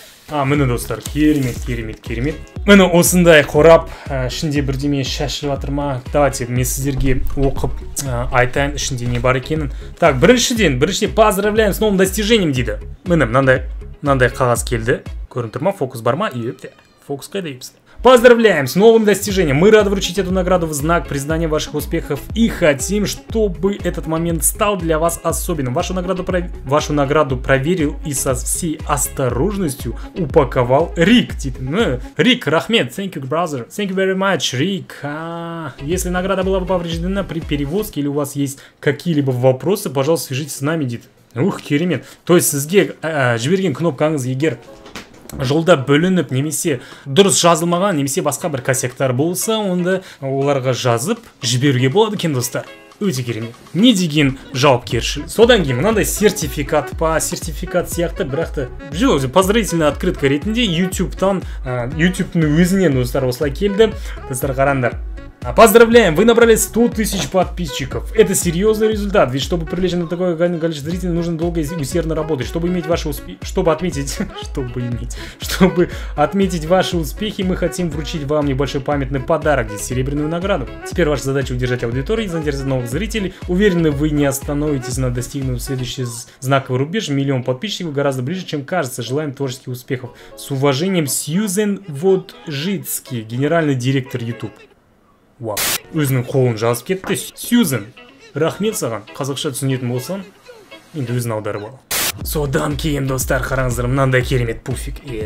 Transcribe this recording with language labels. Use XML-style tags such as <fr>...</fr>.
<kk>Міне, достар, керемет. Міне, осындай қорап, ішінде бірдеме шашылып жатыр ма? Давайте, мен сіздерге оқып айтайын, ішінде не бар екенін.</kk> <ru>Так, біріншіден, поздравляем с новым достижением,</ru> <kk>дейді. Міне, мынандай мынандай қағаз келді. Көріп тұр ма, фокус бар ма? Епте. Фокус қайда епсі?</kk> <ru>Поздравляем с новым достижением. Мы рады вручить эту награду в знак признания ваших успехов и хотим, чтобы этот момент стал для вас особенным. Вашу награду проверил и со всей осторожностью упаковал Рик.</ru> <en>Рик, рахмет. Thank you, brother. Thank you very much, Рик.</en> <ru>Если награда была бы повреждена при перевозке или у вас есть какие-либо вопросы, пожалуйста, свяжитесь с нами, дит.</ru> <kk>Ух, керемет. То есть, сізге жіберген кнопкаңыз егер жолда бөлініп, немесе дұрыс жазылмаған, немесе басқа бір косяктар болса, онда оларға жазып, жіберуге болады екен, достар. Өте керемет. Не деген жауапкершілік. Содан кейін мынандай сертификат па, сертификат сияқты, бірақ та жоқ,</kk> <ru>поздравительная открытка</ru> <kk>ретінде YouTube-тан, YouTube-тың өзінен, достар, осылай келді. Достар, қараңдар.</kk> <ru>Поздравляем, вы набрали 100 тысяч подписчиков. Это серьезный результат, ведь чтобы привлечь на такое количество зрителей, нужно долго и усердно работать. Чтобы иметь ваши успехи, чтобы отметить ваши успехи, мы хотим вручить вам небольшой памятный подарок, здесь серебряную награду. Теперь ваша задача удержать аудиторию и заинтересовать новых зрителей. Уверены, вы не остановитесь на достигнутом следующий знаковый рубеж. Миллион подписчиков гораздо ближе, чем кажется. Желаем творческих успехов. С уважением, Сьюзен Воджицкий, генеральный директор YouTube.</ru> <kk>Вау, өзінің қолын жазып кетті. Сьюзен, рахмет саған. Қазақша түсінетін болсам, енді өзін аударып ал. Содан кейін, достар, қараңыздар, мынандай керемет пуфик.</kk>